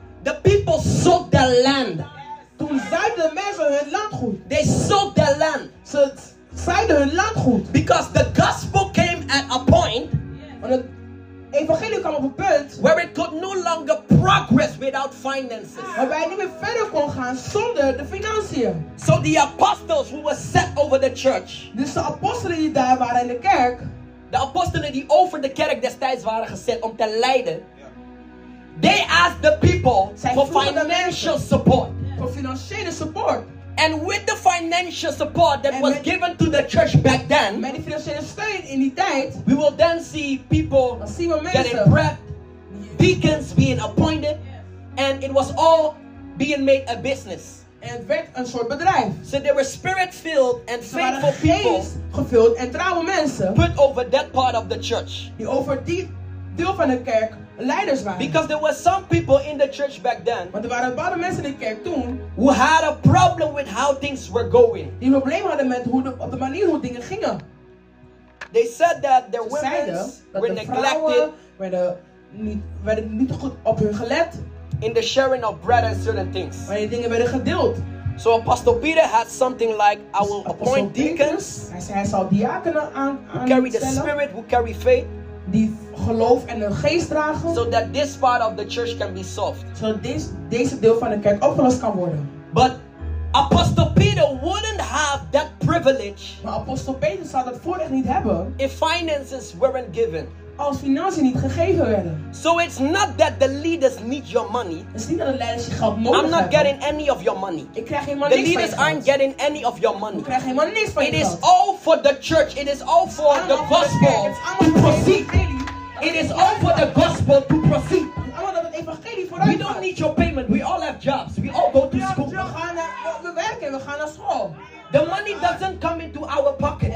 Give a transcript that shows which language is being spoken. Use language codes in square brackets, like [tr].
[en] The people sold their land. [nl] Toen zeiden de mensen hun landgoed. [en] They sold their land. [nl] Ze zeiden hun landgoed. [en] Because the gospel came at a point. [nl] Evangelie kwam op een punt [en] where it could no longer progress without finances. [nl] Waarbij het niet meer verder kon gaan zonder de financiën. [en] So the apostles who were set over the church. [nl] Dus de apostelen die daar waren in de kerk. De apostelen die over de kerk destijds waren gezet om te leiden. [en] They asked the people for financial support. [nl] For financiële support. [en] And with the financial support that was given to the church back then, [nl] met die financiële steun in die tijd, [en] we will then see people getting prepped, deacons being appointed, and it was all being made a business. [nl] En het werd een soort bedrijf. [en] So there were spirit-filled and faithful people, [nl] gevuld en trouwe mensen, [en] put over that part of the church. [nl] Die over die deel van de kerk leiders waren. [en] Because there were some people in the church back then. [nl] Want er waren een paar mensen in de kerk toen. [en] Who had a problem with how things were going. [nl] Die een probleem hadden met de manier hoe dingen gingen. [en] They said that their women were neglected. [nl] Vrouwen werden niet goed op hun gelet. [en] In the sharing of bread and certain things. [nl] Wanneer dingen werden gedeeld. [en] So Apostle Peter had something like, I will appoint deacons. [nl] Hij zal diakenen aan [en] who carry the spirit, who carry faith. [nl] Die geloof en een geest dragen. [en] So that this part of the church can be solved. [nl] So deze deel van de kerk opgelost kan worden. [en] But Apostle Peter wouldn't have that privilege. [nl] Maar Apostel Peter zou dat voorrecht niet hebben. [en] If finances weren't given. [nl] Als financiën niet gegeven werden. [en] So it's not that the leaders need your money. [nl] Het is niet dat de leiders je geld nodig hebben. [en] I'm not getting any of your money. [nl] Ik krijg helemaal niks van je. [en] The leaders aren't getting any of your money. [nl] Ik krijg helemaal niks van je. [en] It is all for the church. It is all for the gospel to proceed. It is all for the gospel to proceed. We don't need your payment. We all have jobs. We all go to school. [nl] We werken. We gaan naar school. [en] The money doesn't come into our pockets.